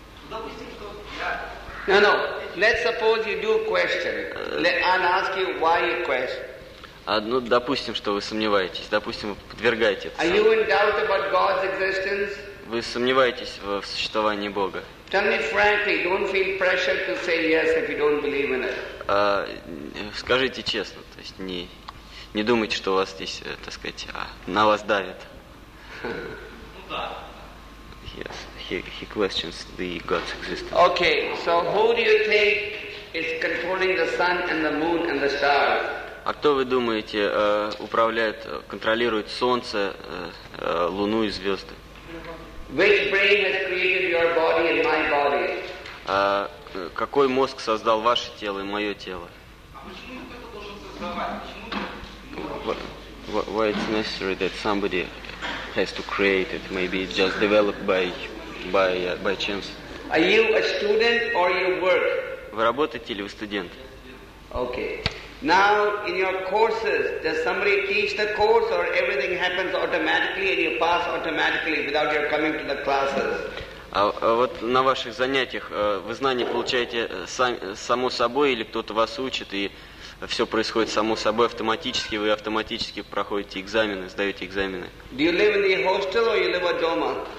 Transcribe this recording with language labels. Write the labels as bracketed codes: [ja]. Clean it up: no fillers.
[en] No, no. Let's suppose you do question. I'll ask you why you question. [ru] Ну, допустим, что вы сомневаетесь. Допустим, вы подвергаете это. [en] Are you in doubt about God's existence? [ru] Вы сомневаетесь в существовании Бога? [en] Tell me frankly, don't feel pressured to say yes if you don't believe in it. [ru] Скажите честно, то есть не... Не думайте, что у вас здесь, так сказать, на вас давит. [en] Yes, he questions the God's existence. Okay, so who do you think is controlling the sun and the moon and the stars? [ru] А кто, вы думаете, управляет, контролирует солнце, луну и звезды? [en] Which brain has created your body and my body? [ru] Какой мозг создал ваше тело и мое тело? [en] Why it's necessary that somebody has to create it? Maybe it's just developed by chance. Are you a student or you work? [ru] Вы работаете или вы студент? [en] Okay. Now in your courses, does somebody teach the course, or everything happens automatically and you pass automatically without your coming to the classes? [ru] А вот на ваших занятиях вы знания получаете само собой или кто-то вас учит и все происходит само собой, автоматически, вы автоматически проходите экзамены, сдаете экзамены. [en] Do you live in the hostel or you live at home?